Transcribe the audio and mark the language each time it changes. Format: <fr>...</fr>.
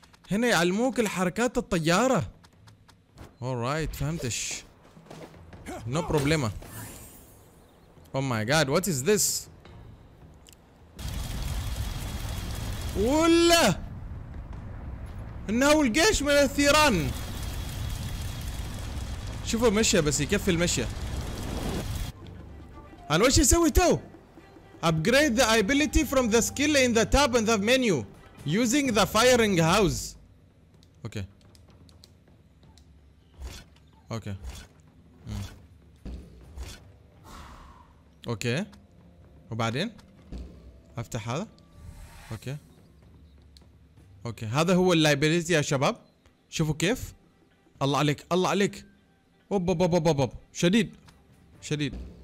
<ar>هنا يعلموك الحركات الطياره.</ar> <en>alright</en> <ar>فهمتش</ar> <en>no problema. oh my god what is this.</en> <ar>ولا انه الجيش من الثيران. شوفوا مشي بس يكفي المشي. انا وش اسوي تو؟</ar> <en>upgrade the ability from the skill in the tab in the menu using the firing house. Okay</en> <ar>اوكي اوكي وبعدين افتح هذا. اوكي اوكي هذا هو اللايبرتي يا شباب، شوفوا كيف. الله عليك الله عليك. اوب اوب اوب اوب اوب شديد شديد.</ar>